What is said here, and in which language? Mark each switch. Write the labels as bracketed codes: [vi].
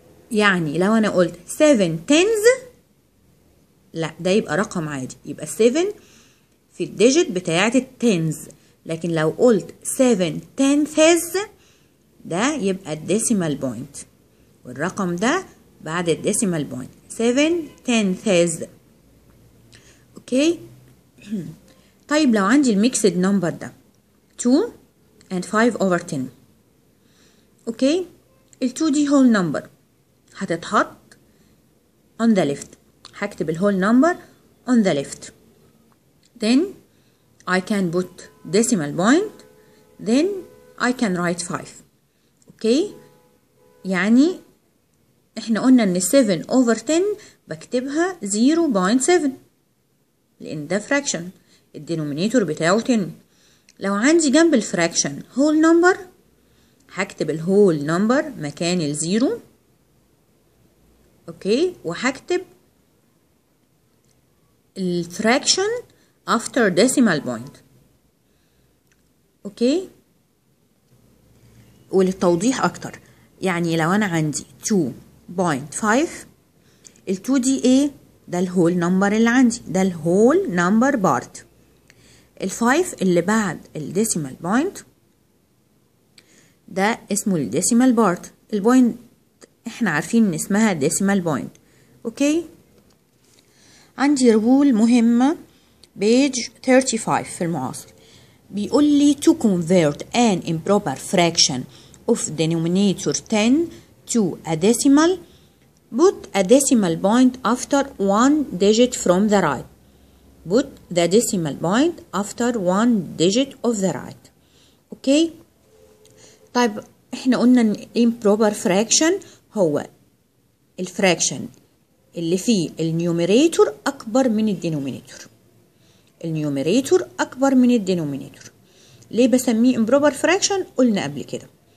[ar] يعني لو انا قلت [en] 7 tens، [ar] لا ده يبقى رقم عادي، يبقى 7 في الديجيت بتاعة التنز، لكن لو قلت [en] 7 tenths [ar] ده يبقى الديسيمال بوينت، والرقم ده بعد الديسيمال بوينت 7 tenths. اوكي، طيب لو عندي الميكسد نمبر ده 2 and 5 over 10. اوكي، التو دي هول نمبر هتتحط [en] on the left، [ar] هكتب الهول نمبر on the left، [en] then I can put decimal point، then I can write 5. [ar] اوكي، يعني احنا قلنا ان 7 over 10 بكتبها 0.7 لان ده fraction الدينومينيتور بتاعه 10. لو عندي جنب الفراكشن هول نمبر، هكتب الهول نمبر مكان الزيرو. اوكي، وهكتب الفراكشن [en] after decimal point. [ar] اوكي، وللتوضيح اكتر، يعني لو انا عندي 2.5، ال 2 دي ايه؟ ده الهول نمبر اللي عندي، ده الهول نمبر بارت. الفايف اللي بعد الديسيمال بوينت ده اسمه الديسيمال بارت، البوينت احنا عارفين ان اسمها ديسيمال بوينت. اوكي، عندي رول مهمة بيج 35 في المعاصر، بيقول لي [en] to convert an improper fraction of denominator 10 to a decimal put a decimal point after one digit from the right. Put the decimal point after one digit of the right. Okay. [ar] طيب احنا قلنا ان improper fraction هو الفراكشن اللي فيه النيوميريتور اكبر من الدينوميريتور. النيوميريتور اكبر من الدينوميريتور. ليه بسميه improper fraction؟ قلنا قبل كده.